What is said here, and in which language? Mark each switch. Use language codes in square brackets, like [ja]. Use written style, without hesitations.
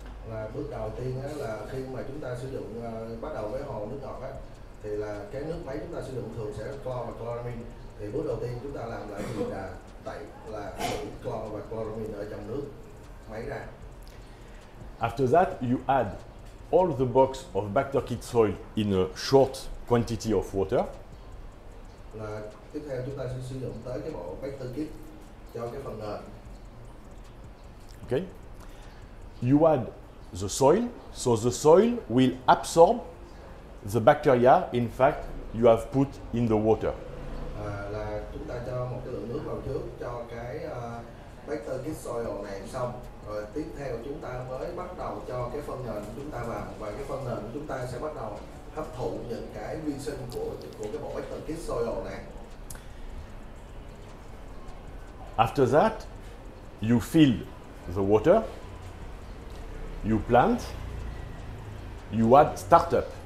[vi] Là bước đầu tiên á, là khi mà chúng ta sử dụng bắt đầu với hồ nước ngọt á, thì là cái nước máy chúng ta sử dụng thường sẽ chlor và chloramine. Thì bước đầu tiên chúng ta làm lại thì là tẩy là chlor và chloramine ở trong nước máy ra. [en] After that, you add all the box of Bacter Kit Soil in a short quantity of water. [vi] Là tiếp theo chúng ta sẽ sử dụng tới cái bộ Bacter Kit cho cái phần nền. [en] Okay. You add the soil, so the soil will absorb the bacteria, in fact, you have put in the water. [vi] Là chúng ta cho một cái lượng nước vào trước cho cái Bacter Kit Soil này xong. Rồi tiếp theo chúng ta mới bắt đầu cho cái phân nền chúng ta vào, và cái phân nền chúng ta sẽ bắt đầu hấp thụ những cái vi sinh của cái bộ Bacter Kit Soil này. [en] After that, you fill the water, you plant, you add startup.